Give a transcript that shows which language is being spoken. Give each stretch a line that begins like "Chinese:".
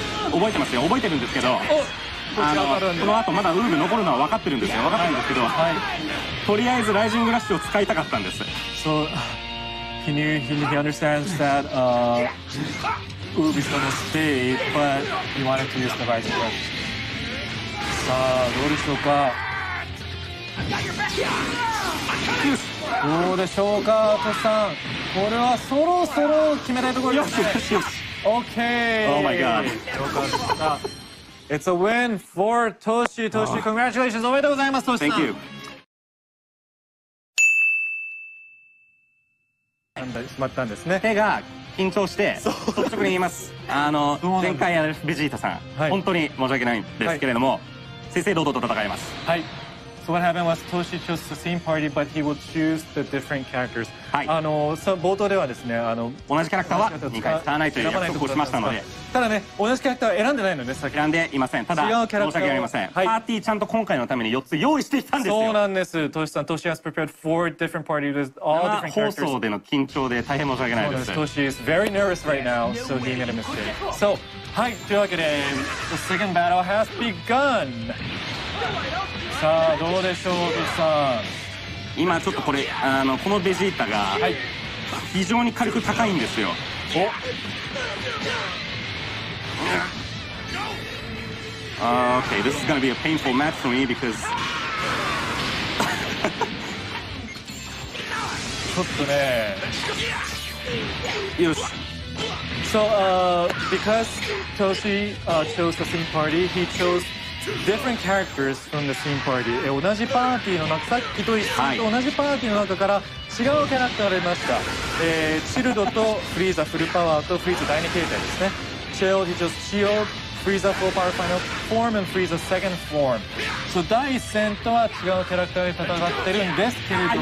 Japanese: Ub 覚えてますよ、覚えてるんですけど、あのこの後まだ Ub 残るのは分かってるんですよ、分かってるんですけど、はいはい、とりあえずライジングラッシュを使いたかったんです。
English: So he understands that Ub is gonna stay, but he wanted to use the rising rush.
Japanese: さあどうでしょうか。どうでしょうか、トシさん。これはそろそろ決めたいところですね。よしよしよし。
English: OK! Oh my god.
Japanese: よかった。
English: It's a win for Toshi. Toshi, congratulations.
Japanese: おめでとうございます、トシさん。
English: Thank you.
Japanese: なんだ、しまったんですね。手が緊張して、率直に言います。あの、前回やるベジータさん、はい、本当に申し訳ないんですけれども、はい、正々堂々と戦います。はい。
English: So what happened was Toshi chose the same party, but he will choose the different characters.
Japanese: はい。あの、そ、冒頭ではですね、あの、同じキャラクターは2回使わないという約束をしましたので。ただね、同じキャラクターは選んでないのね、先。選んでいません。ただ、違うキャラクター申し訳ありません、はい。パーティーちゃんと今回のために4つ用意してきたんですよ。そうなんです。
English: Toshi さん、Toshi has prepared four different parties with all different characters. 生
Japanese: 放送での緊張で大変申し訳ないです。
English: Toshi is very nervous right now, so he made a mistake. So,
Japanese: はい、というわけで、
English: the second battle has begun!
Japanese: さあどうでしょう、トシさん。今ちょっとこれ、あのこのベジータが非常に火力高いんですよ、はい、お、う
English: ん、OK, this is gonna be a painful match for me because
Japanese: ちょっとね、よし。
English: So, because Toshi chose the same party, he chosedifferent characters from the same party.
Japanese: 同じパーティーの中、さっきと一緒に同じパーティーの中から違うキャラクターが出ました、はい、チルドとフリーザフルパワーとフリーザ第二形態ですね。チェオ、ヒジョス、チオ、フリーザフォーパワーファイナルフォーム、フリーザセカンドフォーム。そう、第一戦とは違うキャラクターで戦ってるんですけれども、